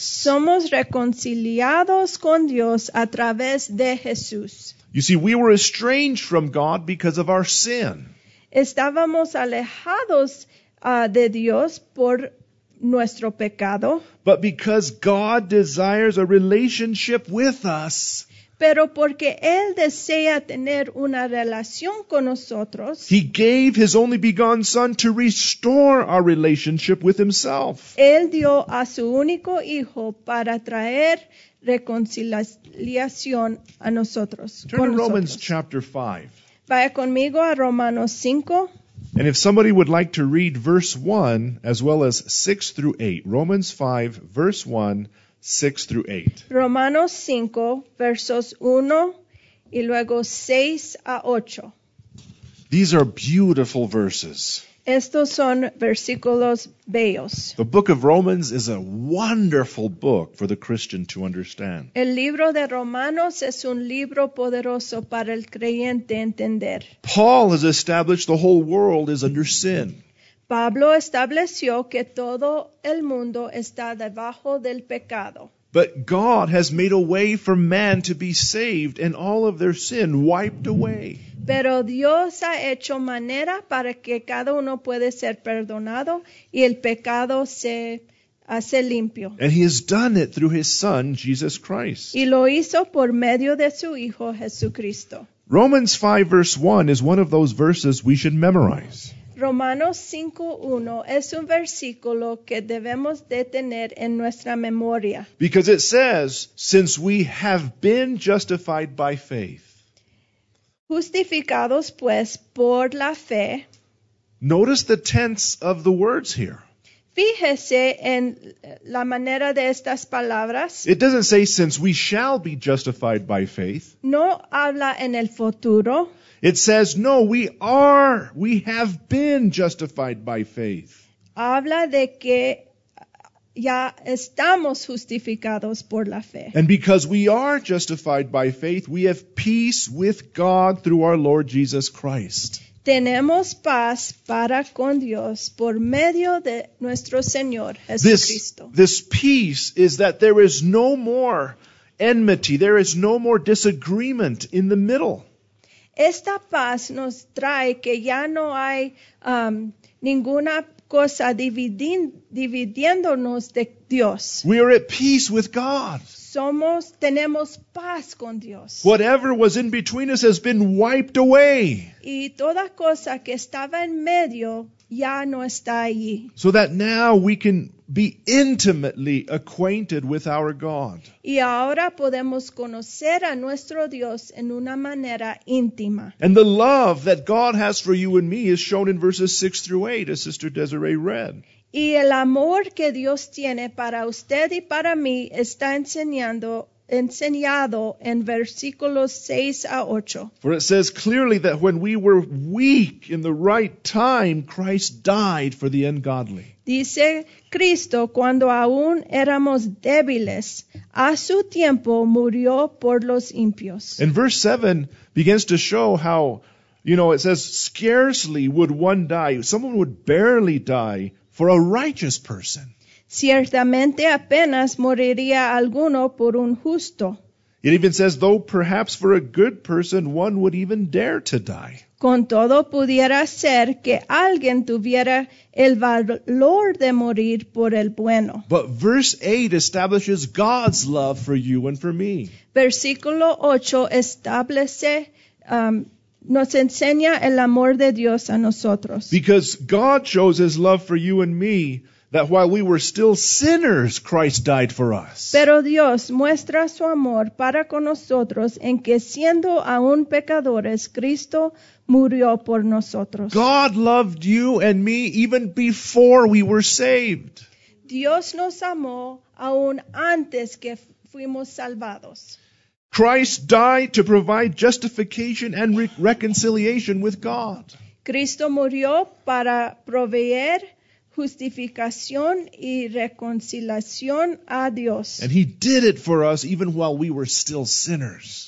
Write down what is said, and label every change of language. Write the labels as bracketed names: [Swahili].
[Spanish] Somos reconciliados con Dios a través de Jesús. [English] You see, we were estranged from God because of our sin. [Spanish] Estábamos alejados de Dios por nuestro pecado. [English] But because God desires a relationship with us. [Spanish] Pero porque Él desea tener una relación con nosotros. [English] He gave His only begotten Son to restore our relationship with Himself. [Spanish] Él dio a su único Hijo para traer reconciliación a nosotros. [English] Turn to Romans chapter 5. [Spanish] Vaya conmigo a Romanos 5. [English] And if somebody would like to read verse 1 as well as 6 through 8. Romans 5, verse 1, 6 through 8. [Spanish] Romanos 5, versos 1 y luego 6 a 8. [English] These are beautiful verses. [Spanish] Estos son versículos bellos. [English] The book of Romans is a wonderful book for the Christian to understand. [Spanish] El libro de Romanos es un libro poderoso para el creyente entender. [English] Paul has established the whole world is under sin. [Spanish] Pablo estableció que todo el mundo está debajo del pecado. [English] But God has made a way for man to be saved and all of their sin wiped away. [Spanish] Pero Dios ha hecho manera para que cada uno puede ser perdonado y el pecado se hace limpio. [English] And He has done it through His Son, Jesus Christ. [Spanish] Y lo hizo por medio de su Hijo, Jesucristo. [English] Romans 5, verse 1 is one of those verses we should memorize. [Spanish] Romanos 5:1 es un versículo que debemos de tener en nuestra memoria. [English] Because it says, "Since we have been justified by faith." [Spanish] Justificados pues por la fe. [English] Notice the tense of the words here. [Spanish] Fíjese en la manera de estas palabras. [English] It doesn't say, "Since we shall be justified by faith." [Spanish] No habla en el futuro. [English] It says, no, we are, we have been justified by faith. [Spanish] Habla de que ya estamos justificados por la fe. [English] And because we are justified by faith, we have peace with God through our Lord Jesus Christ. [Spanish] Tenemos paz para con Dios por medio de nuestro Señor Jesucristo. [English] This peace is that there is no more enmity, there is no more disagreement in the middle. [Spanish] Esta paz nos trae que ya no hay ninguna cosa dividiéndonos de Dios. [English] We are at peace with God. [Spanish] Tenemos paz con Dios. [English] Whatever was in between us has been wiped away. [Spanish] Y toda cosa que estaba en medio ya no está allí. [English] So that now we can be intimately acquainted with our God. [Spanish] Y ahora podemos conocer a nuestro Dios en una manera íntima. [English] And the love that God has for you and me is shown in verses 6 through 8, as Sister Desiree read. [Spanish] Y el amor que Dios tiene para usted y para mí está enseñado en versículos 6 a 8. [English] For it says clearly that when we were weak in the right time, Christ died for the ungodly. [Spanish] Dice Cristo, cuando aún éramos débiles, a su tiempo murió por los impios. [English] And verse 7 begins to show how, you know, it says, scarcely would one die, someone would barely die for a righteous person. [Spanish] Ciertamente apenas moriría alguno por un justo. [English] It even says, though perhaps for a good person, one would even dare to die. [Spanish] Con todo pudiera ser que alguien tuviera el valor de morir por el bueno. [English] But verse 8 establishes God's love for you and for me. [Spanish] Versículo 8 establece, nos enseña el amor de Dios a nosotros. [English] Because God shows his love for you and me, that while we were still sinners, Christ died for us. [Spanish] Pero Dios muestra su amor para con nosotros en que siendo aún pecadores, Cristo murió por nosotros. [English] God loved you and me even before we were saved. [Spanish] Dios nos amó aún antes que fuimos salvados. [English] Christ died to provide justification and reconciliation with God. [Spanish] Cristo murió para proveer justificación y reconciliación a Dios. [English] And he did it for us even while we were still sinners.